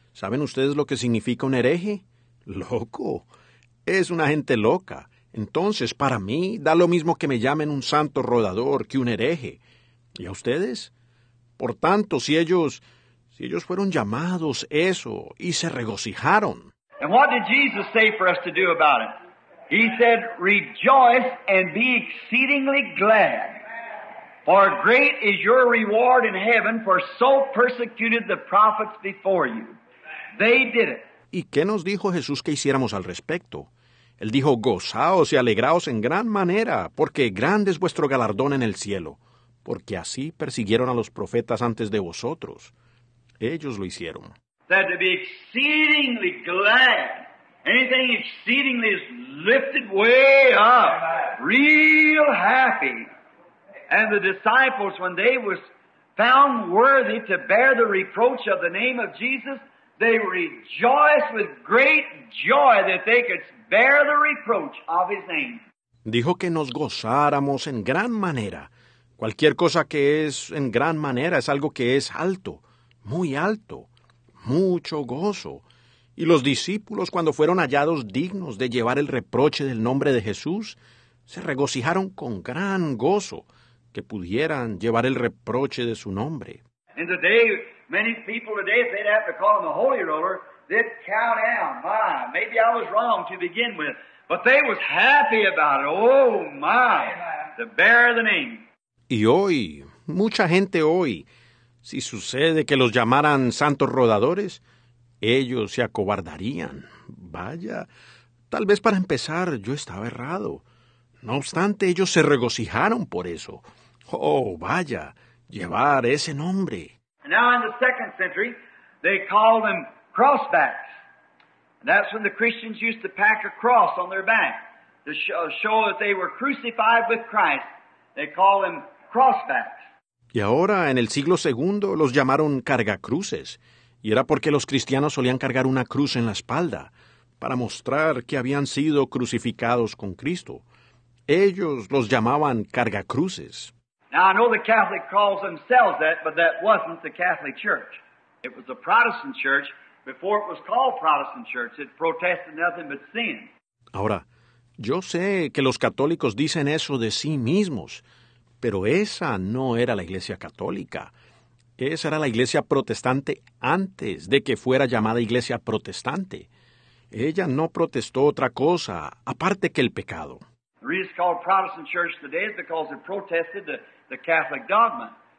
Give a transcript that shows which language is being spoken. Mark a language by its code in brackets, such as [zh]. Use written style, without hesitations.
[es] ¿Saben ustedes lo que significa un hereje? Loco. Es una gente loca. Entonces, para mí, da lo mismo que me llamen un santo rodador que un hereje. ¿Y a ustedes? Por tanto, si ellos fueron llamados eso y se regocijaron. [en] And what did Jesus say for us to do about it? He said, rejoice and be exceedingly glad. For great is your reward in heaven, for so persecuted the prophets before you. They did it. [es] ¿Y qué nos dijo Jesús que hiciéramos al respecto? Él dijo, gozaos y alegraos en gran manera, porque grande es vuestro galardón en el cielo, porque así persiguieron a los profetas antes de vosotros. Ellos lo hicieron. [en] That to be exceedingly glad. Anything exceedingly is lifted way up. Real happy. And the disciples, when they was found worthy to bear the reproach of the name of Jesus, they rejoiced with great joy that they could bear the reproach of his name. [es] Dijo que nos gozáramos en gran manera. Cualquier cosa que es en gran manera es algo que es alto, muy alto, mucho gozo. Y los discípulos, cuando fueron hallados dignos de llevar el reproche del nombre de Jesús, se regocijaron con gran gozo. Que pudieran llevar el reproche de su nombre. [en] In the day, many people today, if they'd have to call them a holy roller, they'd cow down. My, maybe I was wrong to begin with. But they was happy about it. Oh, my. The bearer of the name. [es] Y hoy, mucha gente hoy, si sucede que los llamaran santos rodadores, ellos se acobardarían. Vaya, tal vez para empezar yo estaba errado. No obstante, ellos se regocijaron por eso. Oh, vaya, llevar ese nombre. [en] Now in the second century, they called them crossbacks. And that's when the Christians used to pack a cross on their back to show that they were crucified with Christ. They called them crossbacks. [es] Y ahora, en el siglo segundo, los llamaron cargacruces. Y era porque los cristianos solían cargar una cruz en la espalda para mostrar que habían sido crucificados con Cristo. Ellos los llamaban cargacruces. [en] Now, I know the Catholic calls themselves that, but that wasn't the Catholic Church. It was the Protestant Church before it was called Protestant Church. It protested nothing but sin. [es] Ahora, yo sé que los católicos dicen eso de sí mismos, pero esa no era la Iglesia Católica. Esa era la Iglesia Protestante antes de que fuera llamada Iglesia Protestante. Ella no protestó otra cosa aparte que el pecado. [en] The reason it's called Protestant Church today is because it protested the Catholic dogma.